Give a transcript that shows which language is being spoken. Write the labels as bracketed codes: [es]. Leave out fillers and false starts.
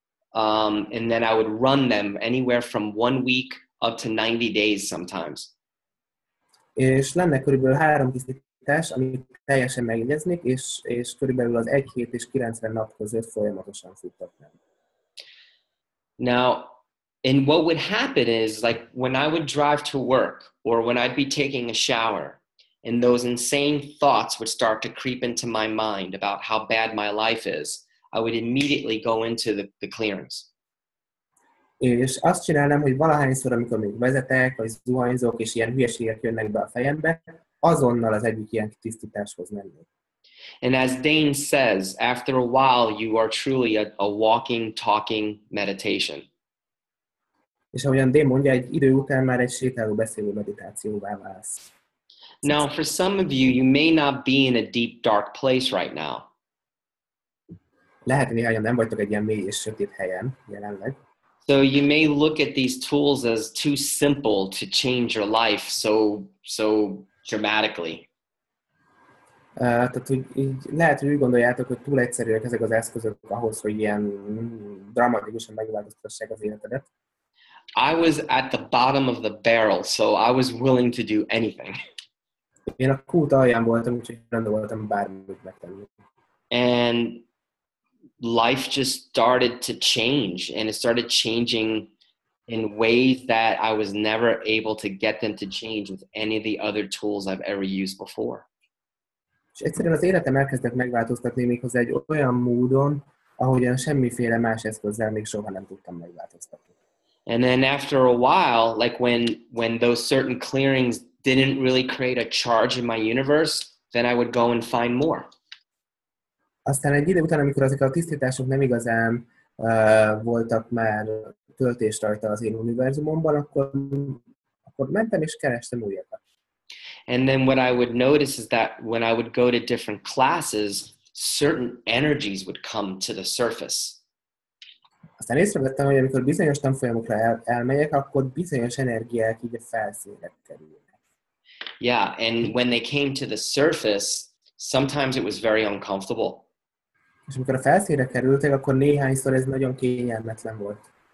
[en] And then I would run them anywhere from 1 week up to 90 days sometimes. [hu] És lenne körülbelül 3 tisztítás, amit teljesen megjegyeznék, és körülbelül az 1 hét és 90 nap között folyamatosan futtatnám. [en] Now, and what would happen is, like, when I would drive to work or when I'd be taking a shower, and those insane thoughts would start to creep into my mind about how bad my life is, I would immediately go into the clearance. [hu] És azt csinálnám, hogy valahányszor, amikor még vezetek, vagy zuhanyzok, és ilyen hülyeségek jönnek be a fejembe, azonnal az egyik ilyen tisztításhoz mennék. [en] And as Dane says, after a while, you are truly a walking, talking meditation. [hu] És ahogyan Dane mondja, egy idő után már egy sétáló beszélő meditációvá válsz. [en] Now, for some of you, you may not be in a deep, dark place right now. [hu] Lehet, néhányan nem vagytok egy ilyen mély és sötét helyen jelenleg. [en] So you may look at these tools as too simple to change your life so dramatically. [hu] Tehát így lehet, hogy úgy gondoljátok, hogy túl egyszerűek ezek az eszközök ahhoz, hogy ilyen dramatikusan megváltoztassák az életedet. [en] I was at the bottom of the barrel, so I was willing to do anything. [hu] Én a kút alján voltam, úgyhogy rendben voltam bármit megtenni. [en] And life just started to change, and it started changing in ways that I was never able to get them to change with any of the other tools I've ever used before. [hu] És egyszerűen az életem elkezdett megváltoztatni méghozzá egy olyan módon, ahogyan semmiféle más eszközzel még soha nem tudtam megváltoztatni. [en] And then after a while, like when those certain clearings didn't really create a charge in my universe, then I would go and find more. [hu] Aztán egy idő után, amikor ezek a tisztítások nem igazán voltak már töltést rajta az én univerzumomban, akkor mentem és kerestem újakat. [en] And then what I would notice is that when I would go to different classes, certain energies would come to the surface. [hu] Aztán észrevettem, hogy amikor bizonyos tanfolyamokra elmegyek, akkor bizonyos energiák így a felszínre kerülnek. [en] Yeah, and when they came to the surface, sometimes it was very uncomfortable. [hu] És amikor a felszínre kerültek, akkor néhányszor ez nagyon kényelmetlen volt.